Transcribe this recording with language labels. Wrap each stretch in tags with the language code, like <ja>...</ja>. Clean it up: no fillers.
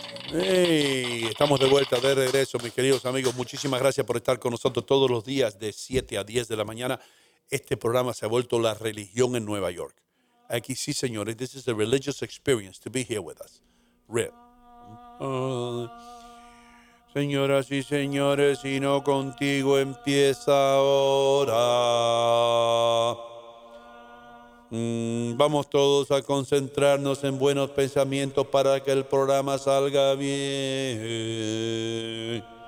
<es>Hey, estamos de vuelta, de regreso, mis queridos amigos. Muchísimas gracias por estar con nosotros todos los días de 7 a 10 de la mañana. Este programa se ha vuelto la religión en Nueva York. Aquí sí, señores,</es> <en>this is a religious experience to be here with us. Real.</en> <es>Señoras y señores, si no contigo empieza ahora. Vamos todos a concentrarnos en buenos pensamientos para que el programa salga bien.</es>